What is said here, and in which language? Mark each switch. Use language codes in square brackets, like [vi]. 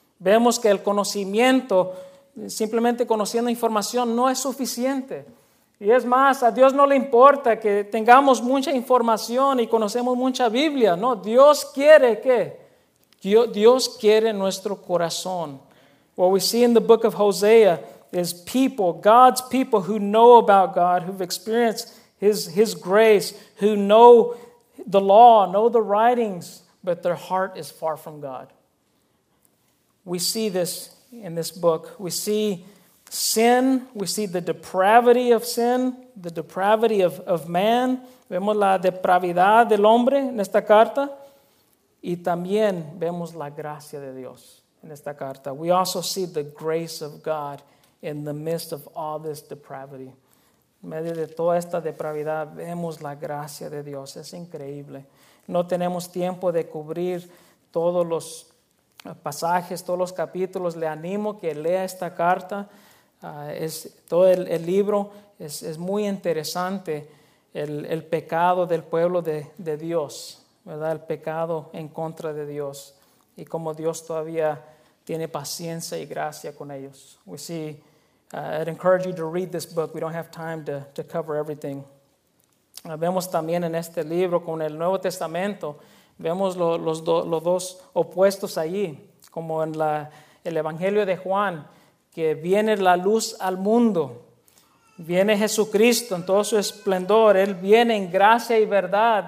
[es] Vemos que el conocimiento, simplemente conociendo información, no es suficiente. Y es más, a Dios no le importa que tengamos mucha información y conocemos mucha Biblia. No, Dios quiere ¿qué? Dios quiere nuestro corazón. [en] What we see in the book of Hosea is people, God's people who know about God, who've experienced his grace, who know the law, know the writings, but their heart is far from God. We see this in this book. We see sin, we see the depravity of sin, the depravity of man. [es] Vemos la depravidad del hombre en esta carta. Y también vemos la gracia de Dios en esta carta. [en] We also see the grace of God in the midst of all this depravity. [es] En medio de toda esta depravidad, vemos la gracia de Dios. Es increíble. No tenemos tiempo de cubrir todos los pasajes, todos los capítulos. Le animo que lea esta carta. Es todo el libro es muy interesante, el pecado del pueblo de Dios, ¿verdad? El pecado en contra de Dios y cómo Dios todavía tiene paciencia y gracia con ellos. [en] We see, I'd encourage you to read this book. We don't have time to cover everything. [es] Vemos también en este libro con el Nuevo Testamento, vemos los dos opuestos allí, como en el Evangelio de Juan, que viene la luz al mundo. Viene Jesucristo en todo su esplendor. Él viene en gracia y verdad.